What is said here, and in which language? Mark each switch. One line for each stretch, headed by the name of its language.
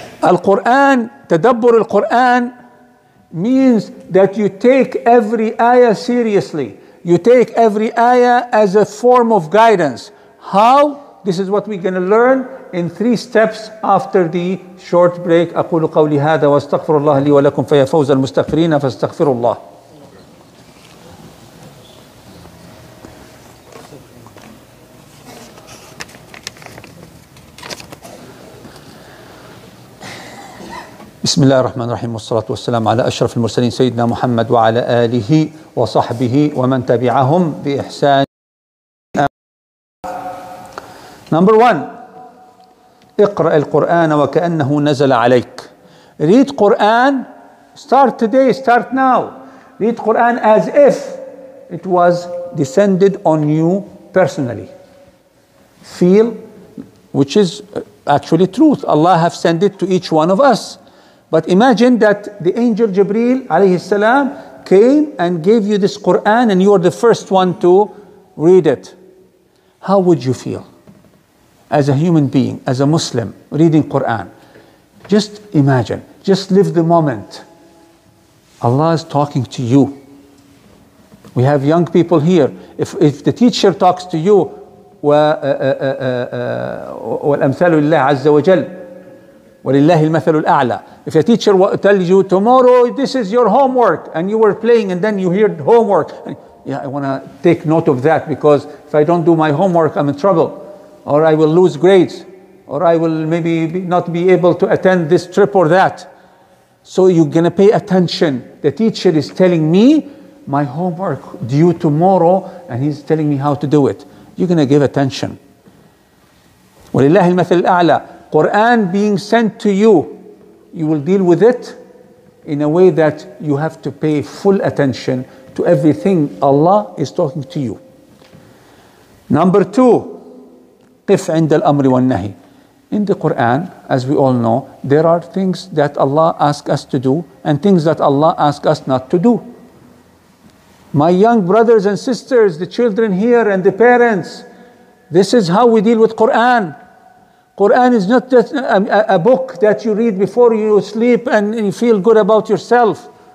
Arabic: القرآن تدبر القرآن
English: means that you take every ayah seriously. You take every ayah as a form of guidance. How? This is what we're going to learn in three steps after the short break.
Arabic: أقول قولي هذا واستغفر الله لي ولكم فيا فوز المستغفرين فاستغفر الله. بسم الله الرحمن الرحيم والصلاة والسلام على أشرف المرسلين سيدنا محمد وعلى آله وصحبه ومن تبعهم بإحسان.
English: Number one,
Arabic: اقرأ القرآن وكأنه نزل عليك.
English: Read Quran, start today, start now. Read Quran as if it was descended on you personally. Feel, which is actually truth. Allah have sent it to each one of us. But imagine that the angel Jibreel alayhi salam came and gave you this Quran and you are the first one to read it. How would you feel as a human being, as a Muslim, reading Quran? Just imagine, just live the moment. Allah is talking to you. We have young people here. If the teacher talks to you,
Arabic: وَالْأَمْثَالُ لِلَّهِ عَزَّ وَجَلَّ وَلِلَّهِ الْمَثَلُ الْأَعْلَى.
English: If a teacher tells you tomorrow this is your homework and you were playing and then you hear homework, yeah, I want to take note of that because if I don't do my homework I'm in trouble, or I will lose grades, or I will maybe not be able to attend this trip or that. So you're going to pay attention. The teacher is telling me my homework due tomorrow and he's telling me how to do it. You're going to give attention.
Arabic: وَلِلَّهِ الْمَثَلُ الْأَعْلَى.
English: Quran being sent to you, you will deal with it in a way that you have to pay full attention to everything Allah is talking to you. Number two,
Arabic: قف عند الأمر والنهي.
English: In the Quran, as we all know, there are things that Allah asks us to do and things that Allah asks us not to do. My young brothers and sisters, the children here and the parents, this is how we deal with Quran. Quran is not just a book that you read before you sleep and you feel good about yourself.